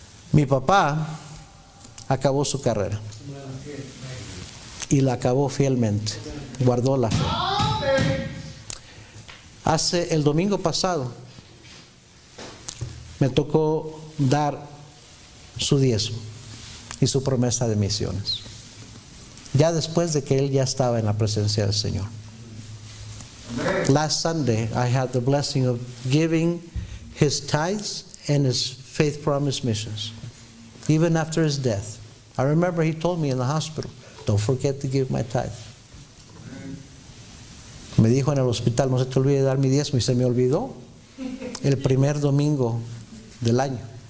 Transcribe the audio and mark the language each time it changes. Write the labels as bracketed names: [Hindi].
[Spanish] Mi papá acabó su carrera y la acabó fielmente, guardó la fe. Hace el domingo pasado me tocó dar su diezmo y su promesa de misiones, ya después de que él ya estaba en la presencia del Señor. [English] Last Sunday I had the blessing of giving his tithes and his faith promise missions, even after his death. I remember he told me in the hospital, don't forget to give my tithe. [Spanish] Me dijo en el hospital, no se te olvide dar mi diezmo, y se me olvidó el primer domingo del año.